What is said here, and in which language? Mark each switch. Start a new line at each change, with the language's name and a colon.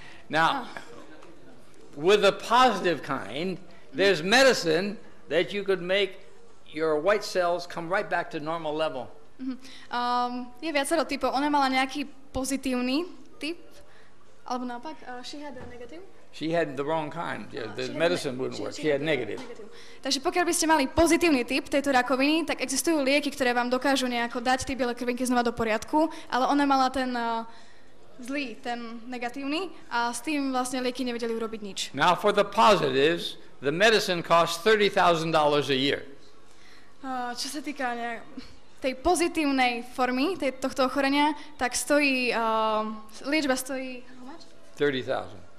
English: Now, with a positive kind, there's medicine that you could make your white cells come right back to normal level.
Slovak: Mm-hmm. Je viacero typov. Ona mala nejaký pozitívny typ, alebo naopak,
English: she had a negative. She had the wrong kind. Yeah, the medicine wouldn't work. She had negative.
Slovak: Takže pokiaľ by ste mali pozitívny typ tejto rakoviny, tak existujú lieky, ktoré vám dokážu nejako dať tie biele krvinky znova do poriadku, ale ona mala ten zlý, ten negatívny, a s tým vlastne lieky nevedeli urobiť nič.
English: Now for the positives, the medicine costs $30,000 a year.
Slovak: Čo sa týka tej pozitívnej formy tohto ochorenia, tak stojí, liečba stojí, $30,000.